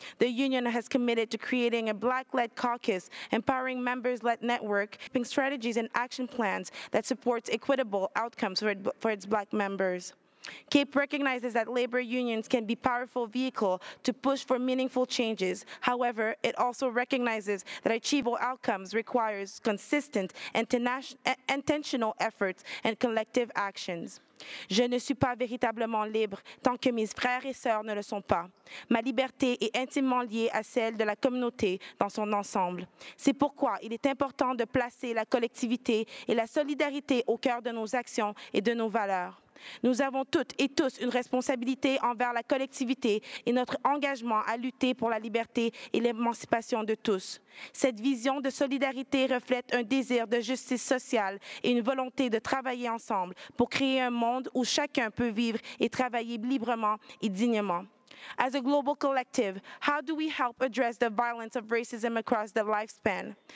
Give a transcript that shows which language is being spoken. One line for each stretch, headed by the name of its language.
English: The union has committed to creating a Black-led caucus, empowering members-led network, keeping strategies and action plans that support equitable outcomes for its Black members. CAPE recognizes that labor unions can be a powerful vehicle to push for meaningful changes. However, it also recognizes that achievable outcomes requires consistent and intentional efforts and collective actions.
French: Je ne suis pas véritablement libre tant que mes frères et sœurs ne le sont pas. Ma liberté est intimement liée à celle de la communauté dans son ensemble. C'est pourquoi il est important de placer la collectivité et la solidarité au cœur de nos actions et de nos valeurs. Nous avons toutes et tous une responsabilité envers la collectivité et notre engagement à lutter pour la liberté et l'émancipation de tous. Cette vision de solidarité reflète un désir de justice sociale et une volonté de travailler ensemble pour créer un monde où chacun peut vivre et travailler librement et dignement.
English: As a global collective, how do we help address the violence of racism across the lifespan?